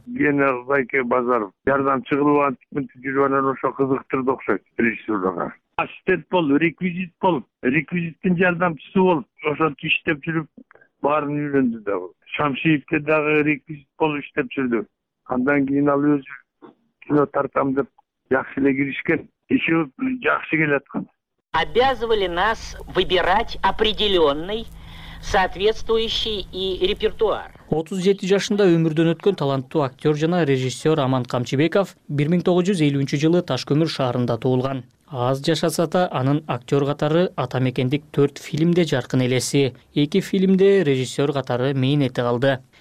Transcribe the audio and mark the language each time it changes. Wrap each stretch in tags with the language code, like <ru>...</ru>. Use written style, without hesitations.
<ky>Мен Байке Базаров жардамчы кылып антип мынтип жүрүп анан ошо кызыктырды окшойт режиссерлорго. Ассистент болуп, реквизит болуп, реквизиттин жардамчысы болуп ошентип иштеп жүрүп баарын үйрөндү да бул. Шамшиевке дагы реквизит болуп иштеп жүрдү. Андан кийин ал өзү кино тартам деп жакшы эле киришкен. Еще жакшы келаткан.</ky> <ru>Обязывали нас выбирать определенный соответствующий и репертуар.</ru> <ky>37 жашында өмүрдөн өткөн таланттуу актер жана режиссер Аман Камчыбеков 1953 жылы Ташкөмүр шаарында туулган. Аз жашаса да анын актер катары ата мекендик 4 фильмде жаркын элеси, 2 фильмде режиссер катары мээнети калды.</ky>